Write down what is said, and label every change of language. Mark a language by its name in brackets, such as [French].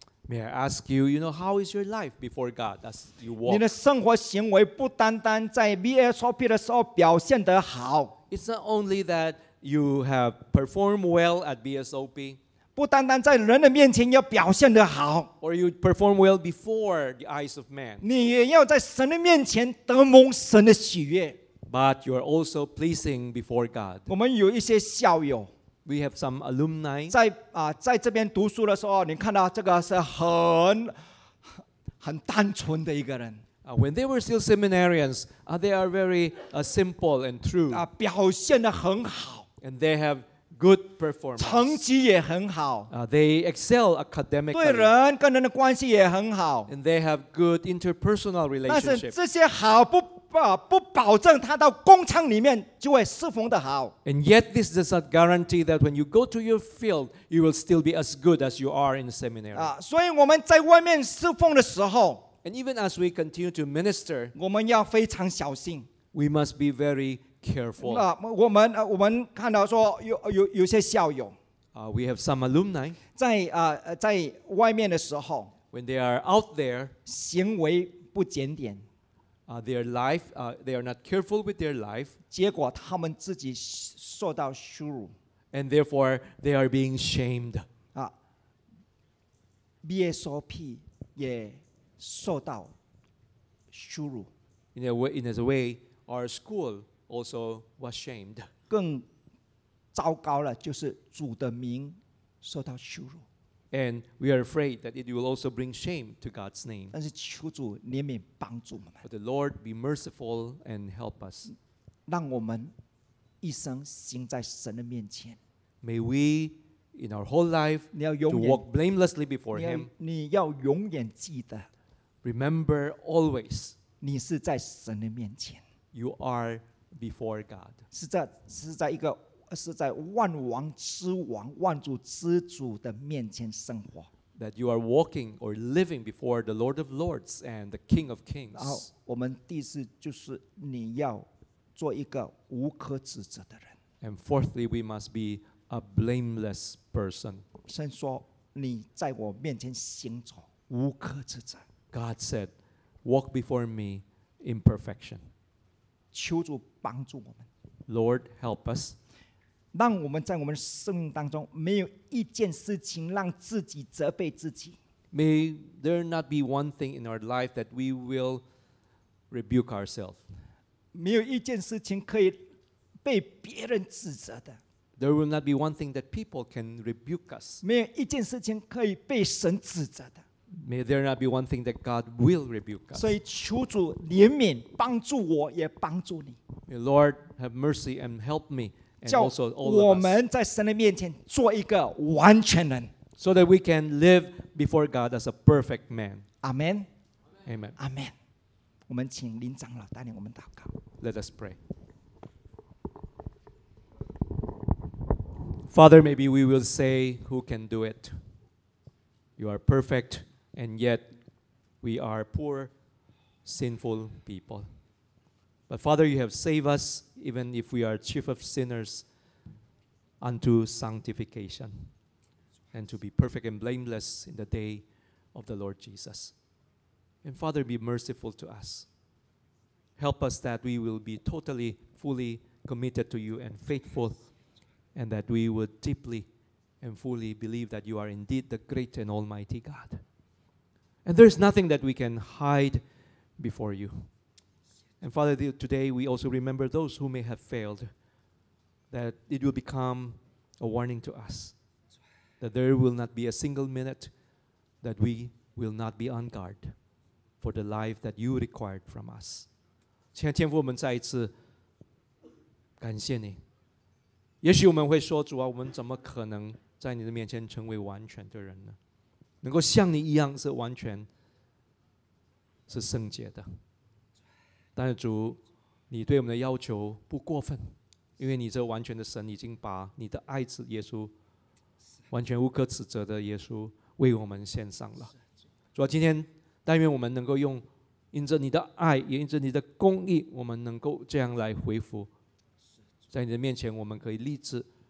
[English] May I ask you, you know, how is your life before God as you walk? [Chinese] 你的生活行为不单单在 VSOP 的时候表现得好。 [English] It's not only that you have performed well at BSOP. [Chinese] 不单单在人的面前要表现得好。 [English] Or you perform well before the eyes of man. [Chinese] 你也要在神的面前得蒙神的喜悦。 [English] But you are also pleasing before God. [Chinese] 我们有一些校友。 [English] We have some alumni. [Chinese] 在这边读书的时候，你看到这个是很单纯的一个人。 [English] When they were still seminarians, they are very simple and true. [Chinese] 表现得很好。 [English] And they have good performance. [Chinese] 成绩也很好。 [English] They excel academically. [Chinese] 对人跟人的关系也很好。 [English] And they have good interpersonal relationships. [Chinese] 但是这些好不保证他到工厂里面就会侍奉得好。 [English] And yet this does not guarantee that when you go to your field, you will still be as good as you are in the seminary. [Chinese] 所以我们在外面侍奉的时候。 [English] And even as we continue to minister, [Chinese] 我们要非常小心。 [English] We must be very careful. [Chinese] 我们看到说有些校友。 [English] We have some alumni. [Chinese] 在外面的时候。 [English] When they are out there, [Chinese] 行为不检点。 [English] Their life, they are not careful with their life. [Chinese] 结果他们自己受到羞辱。 [English] And therefore, they are being shamed. [Chinese] BSOP 也。受到羞辱。 [English] In a way, our school also was shamed. [Chinese] 更糟糕了，就是主的名受到羞辱。 [English] And we are afraid that it will also bring shame to God's name. [Chinese] 但是求主怜悯帮助我们。 [English] But the Lord be merciful and help us. [Chinese] 让我们一生行在神的面前。 [English] May we. In our whole life, to walk blamelessly before Him. [Chinese] 你要永远记得。 [English] Remember always. [Chinese] 你是在神的面前。 [English] You are before God. [Chinese] 是在万王之王、万主之主的面前生活。 [English] That you are walking or living before the Lord of Lords and the King of Kings. [Chinese] 然后我们第四就是你要做一个无可指责的人。 [English] And fourthly, we must be. A blameless person. [Chinese] 神说你在我面前行走无可指责。 [English] God said, "Walk before me in perfection." [Chinese] 求主帮助我们。 [English] Lord, help us. [Chinese] 让我们在我们生命当中没有一件事情让自己责备自己。 [English] May there not be one thing in our life that we will rebuke ourselves. [Chinese] 没有一件事情可以被别人指责的。 [English] There will not be one thing that people can rebuke us. [Chinese] 没有一件事情可以被神指责的。 [English] May there not be one thing that God will rebuke us. [Chinese] 所以求主怜悯，帮助我，也帮助你。 [English] May Lord have mercy and help me, and also all of us. [Chinese] 我们在神的面前做一个完全人。 [English] So that we can live before God as a perfect man. Amen. Amen. Amen. [Chinese] 我们请林长老带领我们祷告。 [English] Let us pray. Father, maybe we will say, "Who can do it? You are perfect." And yet, we are poor, sinful people. But Father, you have saved us, even if we are chief of sinners, unto sanctification, and to be perfect and blameless in the day of the Lord Jesus. And Father, be merciful to us. Help us that we will be totally, fully committed to you and faithful, and that we would deeply and fully believe that you are indeed the great and almighty God. And there is nothing that we can hide before you. And Father, today we also remember those who may have failed, that it will become a warning to us, that there will not be a single minute that we will not be on guard for the life that you required from us. [Chinese] 亲爱的天父，我们再一次感谢你。也许我们会说，主啊，我们怎么可能在你的面前成为完全的人呢？能够像你一样是完全是圣洁的，但是主，你对我们的要求不过分，因为你这完全的神已经把你的爱子耶稣，完全无可指责的耶稣为我们献上了。主啊，今天但愿我们能够用因着你的爱，也因着你的公义，我们能够这样来回复，在你的面前我们可以立志，